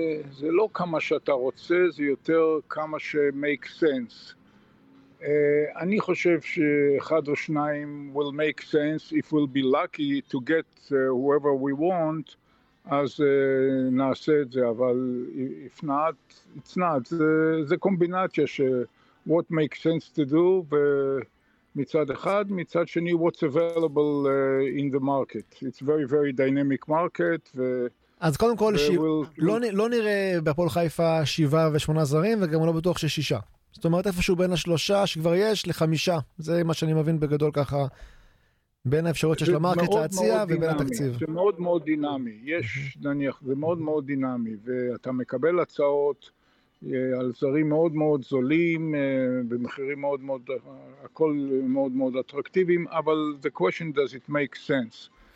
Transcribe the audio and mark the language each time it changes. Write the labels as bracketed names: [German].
[Hebrew] זה לא כמה שאתה רוצה, זה יותר כמה ש- [English] make sense. [Hebrew] אני חושב שאחד או שניים [English] will make sense if we'll be lucky to get whoever we want, [Hebrew] אז נעשה את זה, אבל [English] if not, it's not. [Hebrew] זה קומבינציה ש [English] what makes sense to do, [Hebrew] ומצד אחד, מצד שני, [English] what's available in the market. It's very very dynamic market. [Hebrew] אז קודם כל, לא נראה בהפועל חיפה שבעה ושמונה זרים, וגם לא בטוח ששישה. זאת אומרת, איפשהו בין השלושה שכבר יש לחמישה. זה מה שאני מבין בגדול ככה, בין האפשרויות שיש למרקט להציע ובין התקציב. זה מאוד מאוד דינמי. יש, נניח, זה מאוד מאוד דינמי, ואתה מקבל הצעות על זרים מאוד מאוד זולים, במחירים מאוד מאוד, הכל מאוד מאוד אטרקטיביים, אבל [English] the question does it make sense.